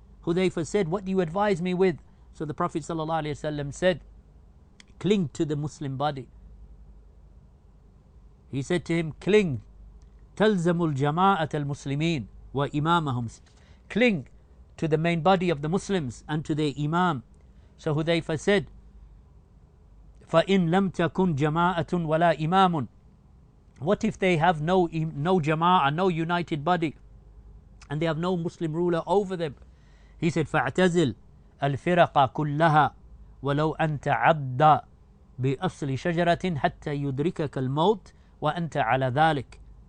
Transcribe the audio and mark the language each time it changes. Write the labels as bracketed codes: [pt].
[en] Hudhayfa said, what do you advise me with? So the Prophet ﷺ said, cling to the Muslim body. He said to him, cling [ar] تلزم الجماعة المسلمين وإمامهم. [en] Cling to the main body of the Muslims and to their Imam. So Hudhayfa said, [ar] فَإِنْ لَمْ تَكُنْ جَمَاعَةٌ وَلَا إِمَامٌ. [en] What if they have no jama'ah, no united body, and they have no Muslim ruler over them? He said, [ar] فَاَعْتَزِلْ الْفِرَقَ كُلَّهَا وَلَوْ أَنْتَ عَبَّى بِأَصْلِ شَجَرَةٍ حَتَّى يُدْرِكَكَ الْمَوْتِ وَأَنْتَ عَلَى ذَلِكَ.